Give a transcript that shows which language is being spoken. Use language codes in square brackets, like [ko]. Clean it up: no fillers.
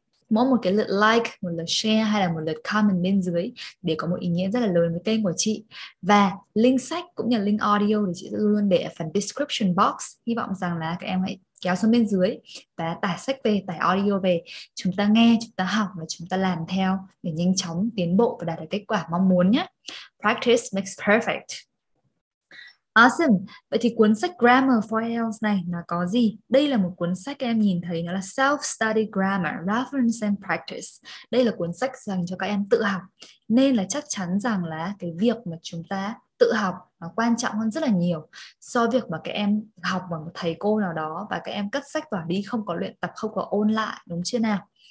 [vi] Mỗi một cái lượt like, một lượt share hay là một lượt comment bên dưới để có một ý nghĩa rất là lớn với kênh của chị. Và link sách cũng như là link audio thì chị sẽ luôn để ở phần description box. Hy vọng rằng là các em hãy kéo xuống bên dưới và tải sách về, tải audio về. Chúng ta nghe, chúng ta học và chúng ta làm theo để nhanh chóng tiến bộ và đạt được kết quả mong muốn nhé. [en] Practice makes perfect. Awesome. [vi] Vậy thì cuốn sách Grammar for IELTS này nó có gì? Đây là một cuốn sách em nhìn thấy, nó là Self-Study Grammar, Reference and Practice. Đây là cuốn sách dành cho các em tự học. Nên là chắc chắn rằng là cái việc mà chúng ta tự học nó quan trọng hơn rất là nhiều so với việc mà các em học bằng một thầy cô nào đó và các em cất sách vở đi không có luyện tập, không có ôn lại, đúng chưa nào?